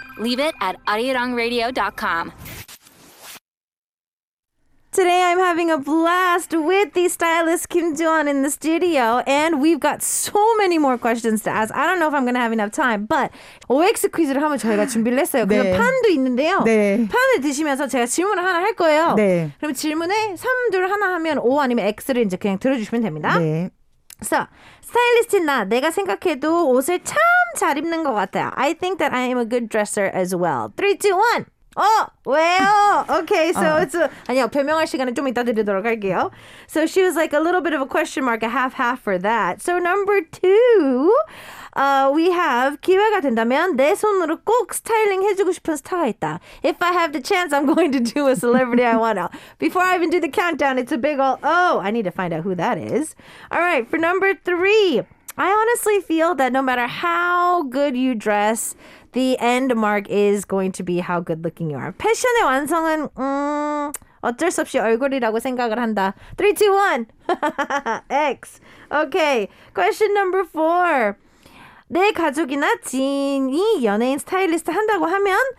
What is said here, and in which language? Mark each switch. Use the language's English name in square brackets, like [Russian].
[English] Leave it at arirangradio.com. Today I'm having a blast with the stylist Kim Joon in the studio, and we've got so many more questions to ask. I don't know if I'm going to have enough time, but [Korean] OX 퀴즈를 한번 저희가 준비를 했어요. 네. 그럼 판도 있는데요. 네. 판을 드시면서 제가 질문을 하나 할 거예요. 네. 그럼 질문에 3, 2, 1 하면 O 아니면 X를 이제 그냥 들어주시면 됩니다. 네. [English] So, [Korean] 스타일리스트인 나, 내가 생각해도 옷을 참 잘 입는 것 같아요. [English] I think that I am a good dresser as well. [Korean] 3, 2, 1! 왜요? [English] Okay, so it's [Korean] 아니요, 변명할 시간은 좀 이따 드리도록 할게요. [English] So she was like a little bit of a question mark, a half for that. So number two, we have [Korean] 기회가 된다면 내 손으로 꼭 스타일링 해주고 싶은 스타가 있다. [English] If I have the chance, I'm going to do a celebrity I want to. Before I even do the countdown, it's a big old, I need to find out who that is. All right, for number three, I honestly feel that no matter how good you dress, the end mark is going to be how good looking you are. [Korean] 패션의 완성은 어쩔 수 없이 얼굴이라고 생각을 한다. 3, 2, 1. X. [English] Okay. Question number 4. [Korean] 내 가족이나 지인이 연예인 스타일리스트 한다고 하면